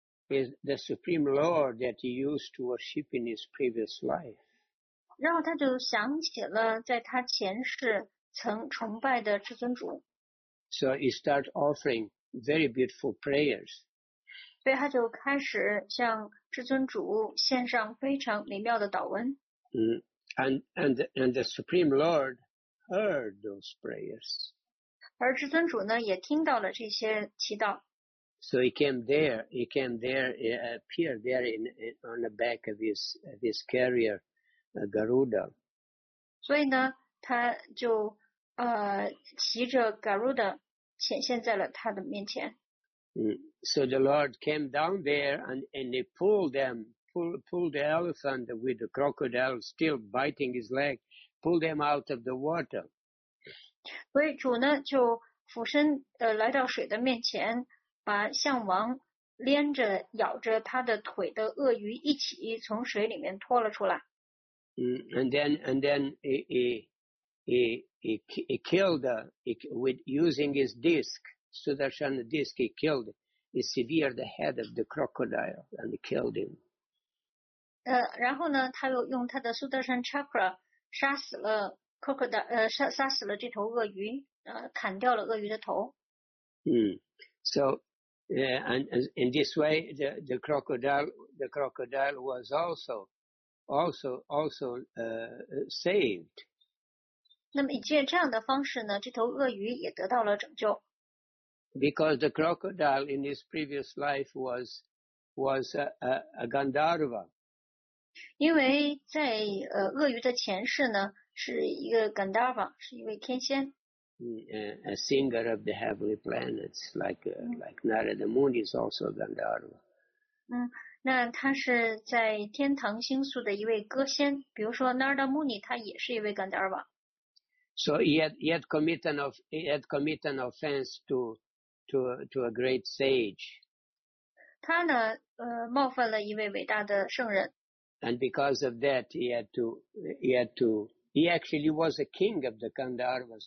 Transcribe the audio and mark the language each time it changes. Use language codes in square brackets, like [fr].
[en] Is the Supreme Lord that he used to worship in his previous life. [zh] 然后他就想起了在他前世曾崇拜的至尊主。 [en] So he started offering very beautiful prayers. [zh] 所以他就开始向至尊主献上非常美妙的祷文。 [en] And the Supreme Lord heard those prayers. [zh] 而至尊主呢也听到了这些祈祷。 [en] So he came there, he appeared there on the back of his carrier, Garuda. [zh] 所以呢，他就骑着 Garuda 显现在了他的面前。 [en] So the Lord came down there and he pulled the elephant with the crocodile still biting his leg, pulled them out of the water. [zh] 所以主呢就俯身来到水的面前。把象王连着咬着他的腿的鳄鱼一起从水里面拖了出来。 [en] And then he killed with using his disc, Sudarshan disc, he severed the head of the crocodile and killed him. [zh] 然后呢，他又用他的 Sudarshan chakra 杀死了这头鳄鱼，砍掉了鳄鱼的头。 [en] So. Yeah, and in this way, the crocodile was also saved. [zh] 那么，借这样的方式呢，这头鳄鱼也得到了拯救。 [en] Because the crocodile in his previous life was a Gandharva. [zh] 因为在鳄鱼的前世呢，是一个 Gandharva， 是一位天仙。 [en] A singer of the heavenly planets, like Narada Muni is also Gandharva. [zh] 那他是在天堂星宿的一位歌仙，比如说 Narada Muni， 他也是一位 Gandharva。 [en] So he had committed an offense to a great sage. [zh] 他呢，冒犯了一位伟大的圣人。 [en] And because of that, he actually was a king of the Gandharvas.